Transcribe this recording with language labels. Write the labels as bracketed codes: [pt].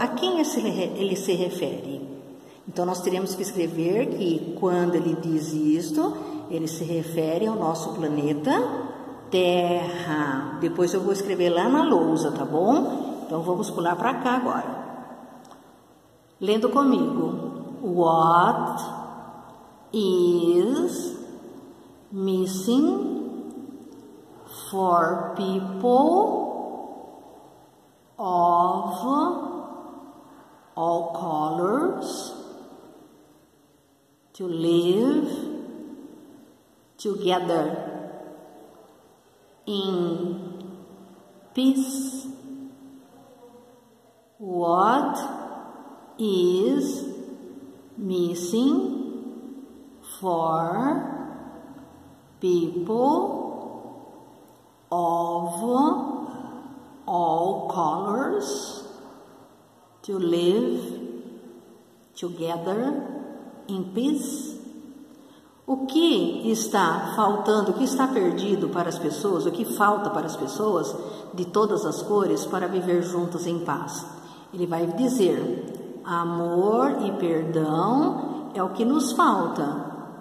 [pt] A quem ele se refere? Então, nós teremos que escrever que quando ele diz isto, ele se refere ao nosso planeta Terra. Depois eu vou escrever lá na lousa, tá bom? Então, vamos pular para cá agora. Lendo comigo. [en] What is missing for people of all colors to live together in peace? What is missing for people of all colors to live together in peace? [pt] O que está faltando, o que está perdido para as pessoas, o que falta para as pessoas de todas as cores para viver juntas em paz? Ele vai dizer: amor e perdão é o que nos falta.